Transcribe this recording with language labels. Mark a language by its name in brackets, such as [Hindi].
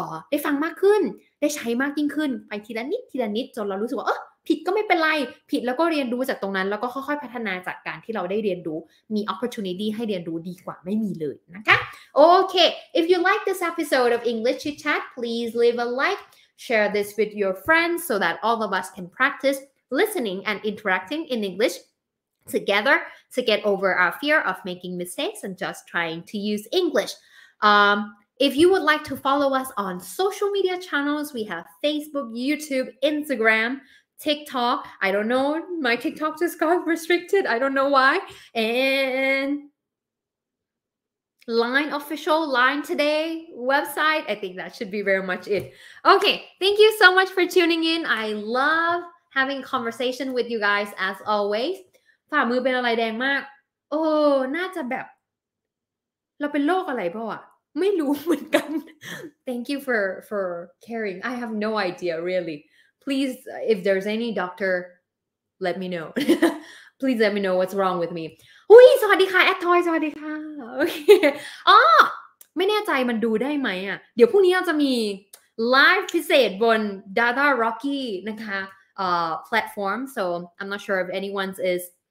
[Thai] ได้ฟังมากขึ้นได้ใช้มากยิ่งขึ้นไปทีละนิดทีละนิดจนเรารู้สึกว่าผิดก็ไม่เป็นไรผิดแล้วก็เรียนรู้จากตรงนั้นแล้วก็ค่อยๆพัฒนาจากการที่เราได้เรียนรู้มี opportunity ให้เรียนรู้ดีกว่าไม่มีเลยนะคะโอเค [English] if you like this episode of English Chitchat please leave a like share this with your friends so that all of us can practice listening and interacting in Englishtogether to get over our fear of making mistakes and just trying to use English. If you would like to follow us on social media channels, we have Facebook, YouTube, Instagram, TikTok. I don't know. My TikTok just got restricted. I don't know why. And Line official, Line Today website. I think that should be very much it. Okay. Thank you so much for tuning in. I love having conversation with you guys as always. [Thai] ฝ่ามือเป็นอะไรแดงมากโอ้น่าจะแบบเราเป็นโรคอะไรเปล่าอ่ะไม่รู้เหมือนกัน [English] Thank you for caring I have no idea really Please if there's any doctor let me know Please let me know what's wrong with me [Thai] อุ้ยสวัสดีค่ะแอดทอยสวัสดีค่ะโอเคอ๋อไม่แน่ใจมันดูได้ไหมอ่ะเดี๋ยวพรุ่งนี้เราจะมีไลฟ์พิเศษบนดาดาร็อกกี้นะคะ [English] platform so I'm not sure if anyone's is